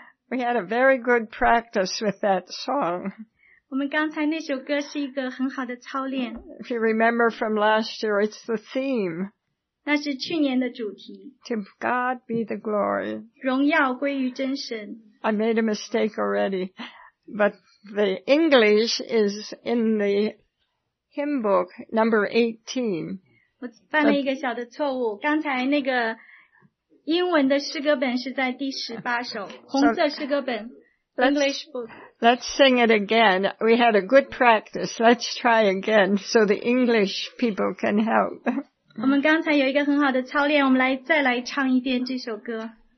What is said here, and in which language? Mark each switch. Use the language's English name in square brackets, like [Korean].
[English] We had a very good practice with that song. [Chinese] 我们刚才那首歌是一个很好的操练。 [English] If you remember from last year, it's the theme. [Chinese] 那是去年的主题。 [English] To God be the glory. [Chinese] 荣耀归于真神。 [English] I made a mistake already, but the English is in the Hymn book number 18. [Chinese] 我犯了一个小的错误。刚才那个英文的诗歌本是在第十八首，红色诗歌本 [English] English book. Let's sing it again. We had a good practice. Let's try again so the English people can help. [Chinese] 我们刚才有一个很好的操练，我们来再来唱一遍这首歌。